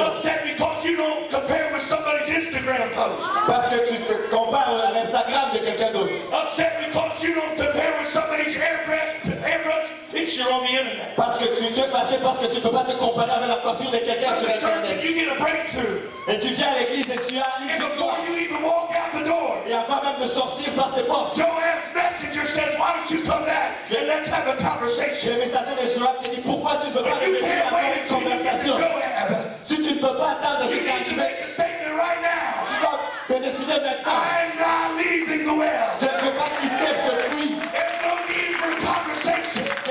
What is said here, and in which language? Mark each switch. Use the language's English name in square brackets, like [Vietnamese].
[English] Upset because you don't compare with somebody's Instagram post. [French] Parce que tu te compares à l'Instagram de quelqu'un d'autre. [English] Upset because you don't compare with somebody's airbrush picture on the internet. [French] Parce que tu te fâches parce que tu peux pas te comparer avec la profil de quelqu'un sur internet. [English] Church, if you get a breakthrough. [French] Et tu viens à l'église et tu as une victoire. [English] And before you even walk out the door. [French] Et avant même de sortir par ses portes. [English] Joab's messenger says, why don't you come back and let's have a conversation. [French] Le messager de Joab te dit, pourquoi tu ne veux pas venir avoir une conversation? Si tu ne peux pas attendre jusqu'à arriver. [English] You need to make a statement right now. [French] Tu dois te décider maintenant. [English] I'm not leaving the well. [French] Je ne veux pas quitter ce puits. [English] There's no need for a conversation.